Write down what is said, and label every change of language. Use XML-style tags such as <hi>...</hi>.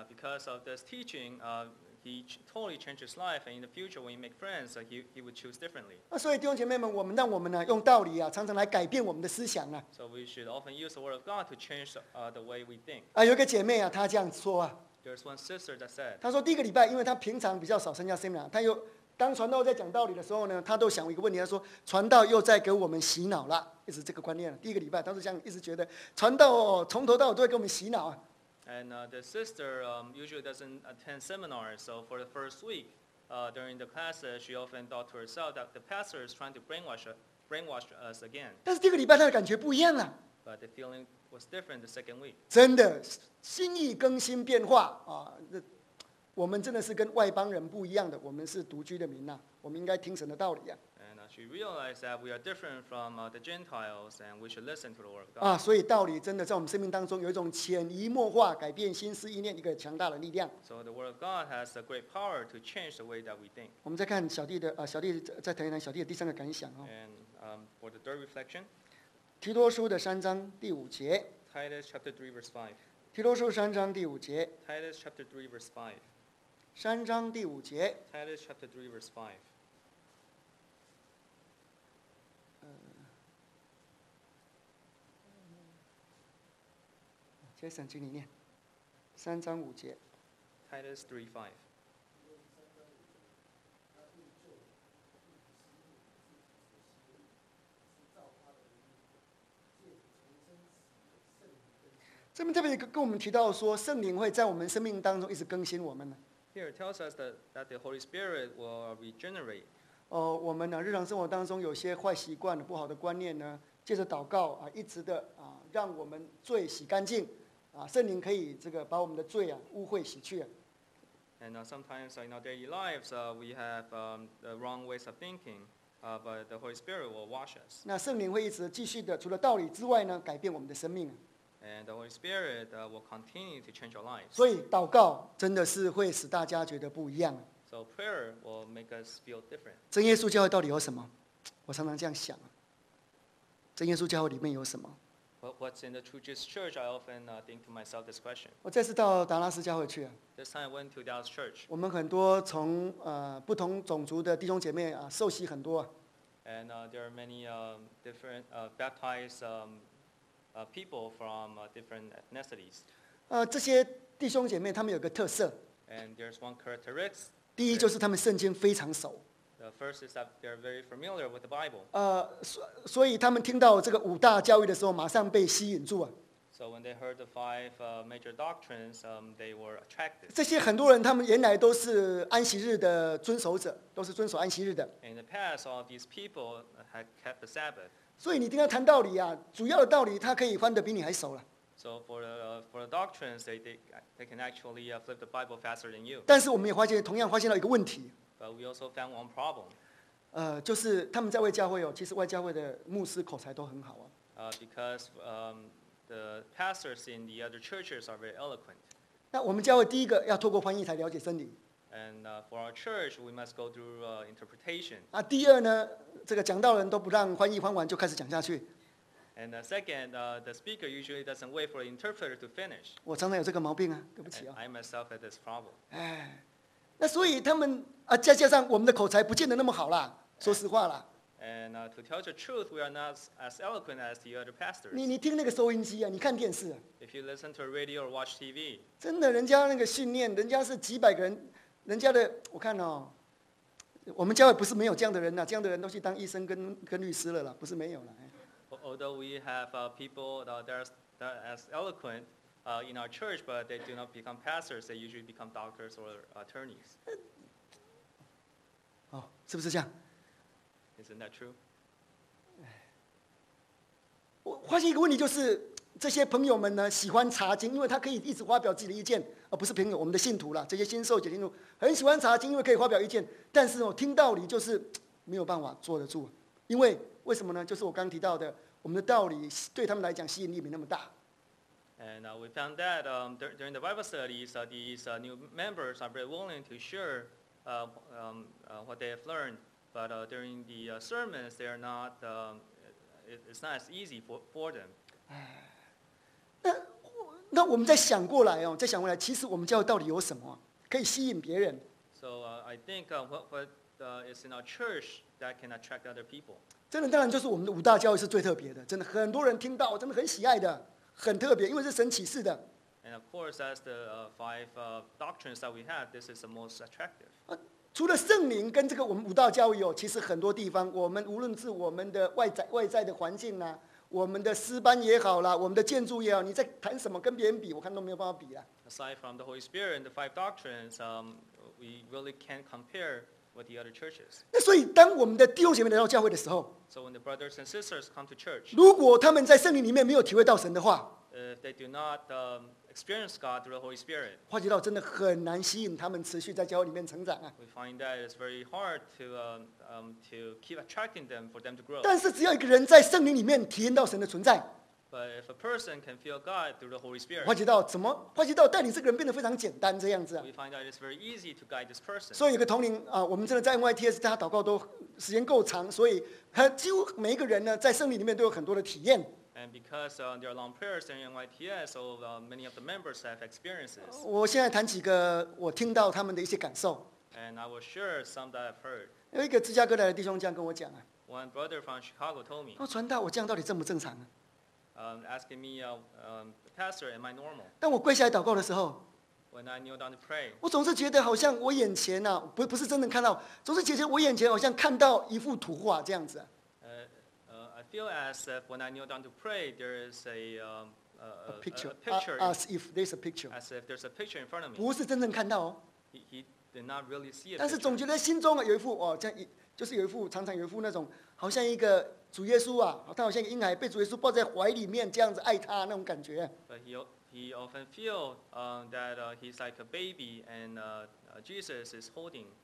<en>because of this teaching, he totally changed his life. And in the future, when he make friends, he would choose differently.</en> <zh>所以弟兄姐妹们，我们呢用道理啊，常常来改变我们的思想啊。</zh> <en>So we should often use the word of God to change the way we think.</en> <zh>有一个姐妹啊，她这样说啊。</zh> <en>There's one sister that said.</en> <zh>他说第一个礼拜，因为他平常比较少参加 seminar， 他又当传道在讲道理的时候呢，他都想一个问题，他说传道又在给我们洗脑了，一直这个观念。第一个礼拜，他是这样一直觉得传道从头到尾都在给我们洗脑啊。</zh> <en>And the sister usually doesn't attend seminars, so for the first week during the class, she often thought to herself that the pastor is trying to brainwash us again.</en> <zh>但是第一个礼拜他的感觉不一样了。</zh> <en>But the feeling was different the second week.</en> <zh>真的心意更新变化啊！我们真的是跟外邦人不一样的，我们是独居的民呐、啊，我们应该听神的道理呀、啊。</zh> <en>And she realized that we are different from the Gentiles, and we should listen to the word of God.</en> <zh>啊，所以道理真的在我们生命当中有一种潜移默化、改变心思意念一个强大的力量。</zh> <en>So the word of God has a great power to change the way that we think.</en> <zh>我们再看小弟的啊，小弟在台南小弟的第三个感想哦。</zh> <en>And for the third reflection,</en> <zh>提多书的三章第五节。</zh> <en>Titus chapter 3 verse 5.</en> <zh>提多书三章第五节。</zh> <en>Titus chapter 3 verse 5.</en> <zh>三章第五节。</zh> <en>Titus chapter 3 verse 5.</en> <zh>Jason， 请你念。三章五节。</zh> <en>Titus 3 5.</en> <zh>这边特别跟我们提到说，圣灵会在我们生命当中一直更新我们呢。</zh> <en>Here it tells us that the Holy Spirit will regenerate.</en> <zh>我们呢日常生活当中有些坏习惯、不好的观念呢，借着祷告啊，一直的啊，让我们罪洗干净，啊，圣灵可以这个把我们的罪啊污秽洗去。</zh> <en>And sometimes in our daily lives, we have the wrong ways of thinking, but the Holy Spirit will wash us.</en> <zh>那圣灵会一直继续的，除了道理之外呢，改变我们的生命。</zh> <en>And the Holy Spirit will continue to change our lives.</en> <zh>所以祷告真的是会使大家觉得不一样。</zh> <en>So prayer will make us feel different.</en> <zh>真耶稣教会到底有什么？我常常这样想。真耶稣教会里面有什么？</zh> <en>What's in the True Jesus Church? I often think to myself this question.</en> <zh>我这次到达拉斯教会去。</zh> <en>This time I went to Dallas Church.</en> <zh>我们很多从不同种族的弟兄姐妹啊受洗很多。</zh> <en>And there are many different baptized. People from different ethnicities.</en> <zh>这些弟兄姐妹他们有个特色。</zh> <en>And there's one characteristic.</en> <zh>第一就是他们圣经非常熟。</zh> <en>The first is that they're very familiar with the Bible.</en> <zh>所以他们听到这个五大教义的时候，马上被吸引住啊。</zh> <en>So when they heard the five major doctrines, they were attracted.</en> <zh>这些很多人他们原来都是安息日的遵守者，都是遵守安息日的。</zh> <en>In the past, all these people had kept the Sabbath.</en> <zh>所以你听他谈道理啊，主要的道理他可以翻得比你还熟了。</zh> <en>So for the doctrines, they can actually flip the Bible faster than you.</en> <zh>但是我们也发现，同样发现到一个问题。</zh> <en>But we also found one problem.</en> <zh>就是他们在外教会哦，其实外教会的牧师口才都很好啊。</zh> <en>Because the pastors in the other churches are very eloquent.</en> <zh>那我们教会第一个要透过翻译才了解真理。</zh> <en>And for our church, we must go through interpretation.</en> <zh>啊，第二呢？这个讲道人都不让翻译翻完就开始讲下去。</zh> <en>And second, the speaker usually doesn't wait for the interpreter to finish.</en> <zh>我常常有这个毛病啊，对不起啊。</zh> <en>And I myself have this problem.</en> <zh>那所以他们啊，再加上我们的口才不见得那么好啦，说实话啦。</zh> <en>And to tell the truth, we are not as eloquent as the other pastors.</en> <zh>你听那个收音机啊，你看电视、啊。</zh> <en>If you listen to a radio or watch TV.</en> <zh>真的，人家那个训练，人家是几百个人，人家的，我看哦。我们教会不是没有这样的人呐、啊，这样的人都去当医生跟律师了啦，不是没有了。</zh> <en>Although we have people that are as eloquent in our church, but they do not become pastors. They usually become doctors or attorneys.</en> <zh>哦，是不是这样</zh> <en>？Isn't that true？</en> <zh>我发现一个问题，就是这些朋友们呢喜欢查经，因为他可以一直发表自己的意见。不是朋友，我们的信徒啦，这些新受洗信徒很喜欢查经，因为可以发表意见。但是我听道理就是没有办法坐得住，因为为什么呢？就是我刚提到的，我们的道理对他们来讲吸引力没那么大。</zh> <en>And we found that during the Bible studies, these new members are very willing to share what they have learned, but during the sermons, they are not. It's not as easy for them.</en> <zh>那我们再想过来哦，再想过来，其实我们教会到底有什么可以吸引别人</zh> <en>？So I think what is in our church that can attract other people.</en> <zh>真的，当然就是我们的五大教会是最特别的，真的很多人听到，真的很喜爱的，很特别，因为是神启示的。</zh> <en>And of course, as the five doctrines that we have, this is the most attractive.</en> <zh>除了圣灵跟这个我们五道教义哦，其实很多地方，我们无论是我们的外在的环境啊，我们的诗班也好了，我们的建筑也好，你在谈什么跟别人比，我看都没有办法比啦。</zh> <en>Aside from the Holy Spirit and the five doctrines, we really can't compare with the other churches.</en> <zh>那所以当我们的弟兄姐妹来到教会的时候</zh> <en>，So when the brothers and sisters come to church,</en> <zh>如果他们在圣灵里面没有体会到神的话</zh> <en>，If they do not experience God through the Holy Spirit,</en> <zh>化解到真的很难吸引他们持续在教会里面成长啊。</zh> <en>We find that it's very hard to to keep attracting them for them to grow.</en> <zh>但是只要一个人在圣灵里面体验到神的存在</zh> <en>，But if a person can feel God through the Holy Spirit,</en> <zh>化解到怎么化解到带领这个人变得非常简单这样子啊。</zh> <en>We find that it's very easy to guide this person.</en> <zh>所以有个同龄啊，我们真的在 NYTS 大家祷告都时间够长，所以他几乎每一个人呢在圣灵里面都有很多的体验。</zh> <en>And because there are long prayers in NYTS, so many of the members have experiences.</en> <zh>我现在谈几个我听到他们的一些感受。</zh> <en>And I will share some that I've heard.</en> <zh>有一个芝加哥来的弟兄这样跟我讲啊。</zh> <en>One brother from Chicago told me.</en> <zh>他传道，我这样到底正不正常啊？</zh> <en>Asking me, Pastor, am I normal?</en> <zh>当我跪下来祷告的时候</zh> <en>，When I kneel down to pray,</en> <zh>我总是觉得好像我眼前呐、啊，不是真的看到，总是觉得我眼前好像看到一幅图画这样子、啊。</zh> <en>Feel as if when I kneel down to pray, there is a picture. As if there's a picture. As if there's a picture in front of me.</en> <zh>不是真正看到哦。</zh> <en>He did not really see it.</en> <zh>但是总觉得心中有一幅哦，这样就是有一幅常常有一幅那种好像一个主耶稣啊，他好像一个婴孩被主耶稣抱在怀里面这样子爱他那种感觉。</zh> <en>But he often feel that he's like a baby and Jesus is holding.</en>